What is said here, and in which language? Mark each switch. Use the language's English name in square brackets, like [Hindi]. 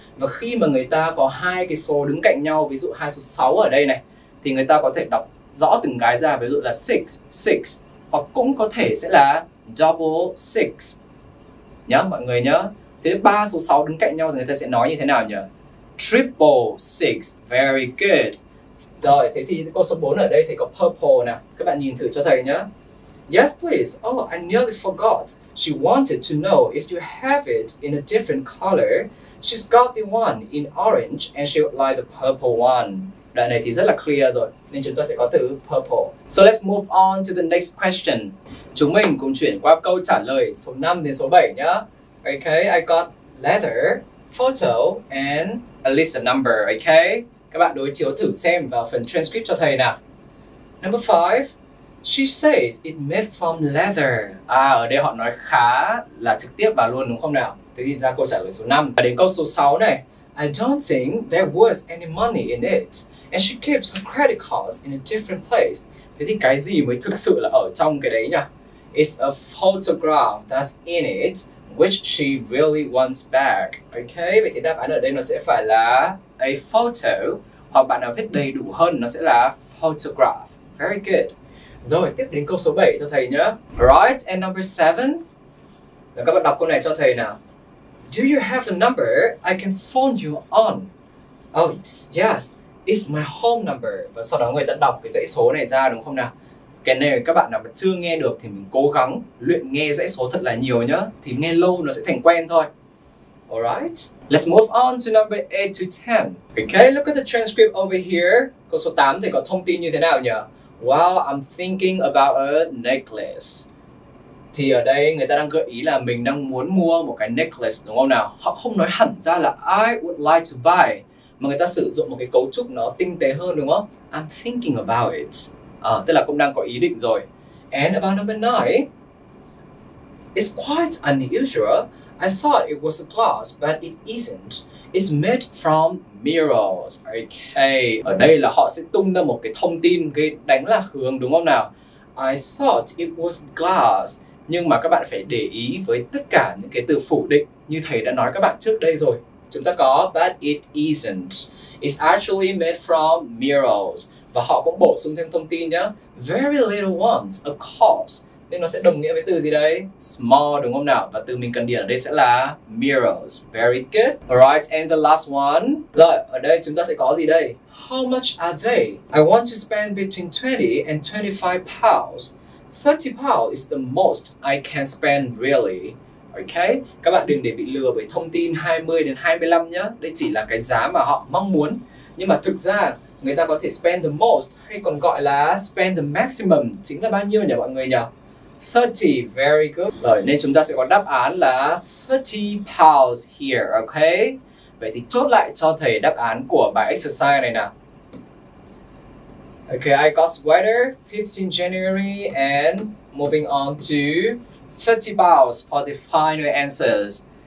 [Vietnamese] Và khi mà người ta có hai cái số đứng cạnh nhau, ví dụ hai số 6 ở đây này, thì người ta có thể đọc rõ từng cái ra, ví dụ là 6, 6, hoặc cũng có thể sẽ là double 6. Nhớ mọi người nhớ. Thế ba số 6 đứng cạnh nhau thì người ta sẽ nói như thế nào nhỉ? [English] Triple 6, very good. [Vietnamese] Rồi, thế thì câu số 4 ở đây thì có purple nè. Các bạn nhìn thử cho thầy nhé. [English] Yes, please. Oh, I nearly forgot. She wanted to know if you have it in a different color. She's got the one in orange and she would like the purple one. [Vietnamese] Đoạn này thì rất là clear rồi, nên chúng ta sẽ có từ purple. [English] So let's move on to the next question. [Vietnamese] Chúng mình cùng chuyển qua câu trả lời số 5 đến số 7 nhé. [English] Okay, I got leather, photo and a list of number, okay? [Vietnamese] Các bạn đối chiếu thử xem vào phần transcript cho thầy nào. Number 5. [English] She says it made from leather. [Vietnamese] À, ở đây họ nói khá là trực tiếp vào luôn đúng không nào? Thế thì ra câu trả lời số 5. Và đến câu số 6 này. [English] I don't think there was any money in it. And she keeps her credit cards in a different place. [Vietnamese] Thế thì cái gì mới thực sự là ở trong cái đấy nhỉ? [English] It's a photograph that's in it, which she really wants back. [Vietnamese] Okay, vậy thì đáp án ở đây nó sẽ phải là a photo. Hoặc bạn nào viết đầy đủ hơn nó sẽ là photograph. [English] Very good. [Vietnamese] Rồi, tiếp đến câu số 7 cho thầy nhé. [English] Right, and number 7. [Vietnamese] Rồi các bạn đọc câu này cho thầy nào. [English] Do you have a number I can phone you on? Oh, yes, it's my home number. [Vietnamese] Và sau đó người ta đọc cái dãy số này ra đúng không nào? Cái này các bạn nào mà chưa nghe được thì mình cố gắng luyện nghe dãy số thật là nhiều nhé. Thì nghe lâu nó sẽ thành quen thôi. [English] Alright, let's move on to number 8 to 10. Okay, look at the transcript over here. [Vietnamese] Câu số 8 thì có thông tin như thế nào nhỉ? [English] Well, I'm thinking about a necklace. [Vietnamese] Thì ở đây người ta đang gợi ý là mình đang muốn mua một cái necklace đúng không nào? Họ không nói hẳn ra là [English] I would like to buy, [Vietnamese] mà người ta sử dụng một cái cấu trúc nó tinh tế hơn đúng không? [English] I'm thinking about it. [Vietnamese] À, tức là cũng đang có ý định rồi. [English] And about number 9. It's quite unusual. I thought it was a glass, but it isn't. It's made from mirrors. Okay. [Vietnamese] Ở đây là họ sẽ tung ra một cái thông tin gây đánh lạc hướng đúng không nào? [English] I thought it was glass. [Vietnamese] Nhưng mà các bạn phải để ý với tất cả những cái từ phủ định như thầy đã nói các bạn trước đây rồi. Chúng ta có [English] but it isn't. It's actually made from mirrors. [Vietnamese] Và họ cũng bổ sung thêm thông tin nhé. [English] Very little ones, of course. [Vietnamese] Nên nó sẽ đồng nghĩa với từ gì đấy? Small đúng không nào? Và từ mình cần điền ở đây sẽ là mirrors. [English] Very good. Alright, and the last one. [Vietnamese] Rồi, ở đây chúng ta sẽ có gì đây? [English] How much are they? I want to spend between 20 and 25 pounds. 30 pounds is the most I can spend really. Okay? [Vietnamese] Các bạn đừng để bị lừa bởi thông tin 20 đến 25 nhá. Đây chỉ là cái giá mà họ mong muốn. Nhưng mà thực ra người ta có thể [English] spend the most [Vietnamese] hay còn gọi là [English] spend the maximum. [Vietnamese] Chính là bao nhiêu nhỉ mọi người nhỉ? 30, very good. Rồi, nên chúng ta sẽ có đáp án là 30 pounds here, okay? Vậy thì chốt lại cho thầy đáp án của bài exercise này nào. [English] Okay, I got sweater 15 January and moving on to 30 pounds for the final answers.